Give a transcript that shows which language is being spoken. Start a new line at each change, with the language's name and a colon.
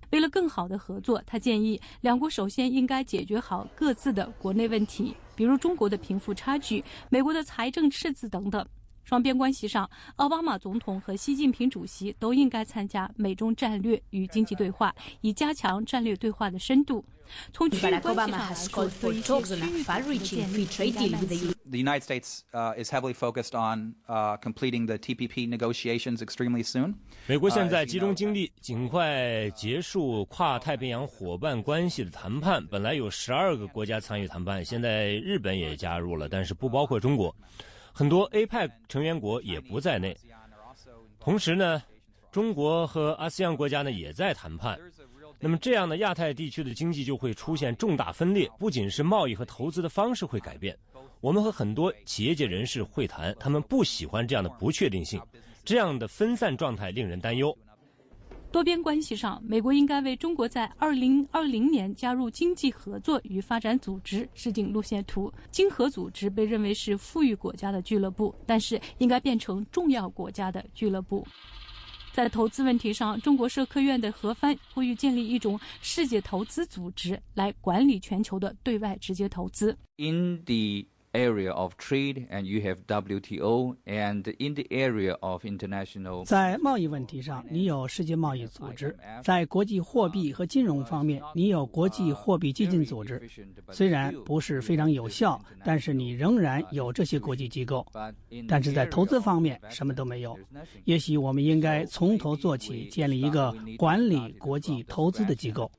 Chinese: 为了更好的合作，他建议两国首先应该解决好各自的国内问题，比如中国的贫富差距、美国的财政赤字等等。双边关系上，奥巴马总统和习近平主席都应该参加美中战略与经济对话，以加强战略对话的深度。从区域关系上来说，
English: The United States is heavily focused on completing the TPP negotiations extremely soon.
Chinese: 美国现在集中精力，尽快结束跨太平洋伙伴关系的谈判。本来有12个国家参与谈判，现在日本也加入了，但是不包括中国。很多 APEC 成员国也不在内，同时呢，中国和 ASEAN 国家呢也在谈判。那么这样呢，亚太地区的经济就会出现重大分裂，不仅是贸易和投资的方式会改变。我们和很多企业界人士会谈，他们不喜欢这样的不确定性，这样的分散状态令人担忧。多边关系上，美国应该为中国在2020年加入经济合作与发展组织制定路线图。经合组织被认为是富裕国家的俱乐部，但是应该变成重要国家的俱乐部。在投资问题上，中国社科院的何帆呼吁建立一种世界投资组织来管理全球的对外直接投资。
English: In the area of trade, and you have WTO, and in the area of international.
Chinese: 在贸易问题上，你有世界贸易组织；在国际货币和金融方面，你有国际货币基金组织。虽然不是非常有效，但是你仍然有这些国际机构。但是在投资方面，什么都没有。也许我们应该从头做起，建立一个管理国际投资的机构。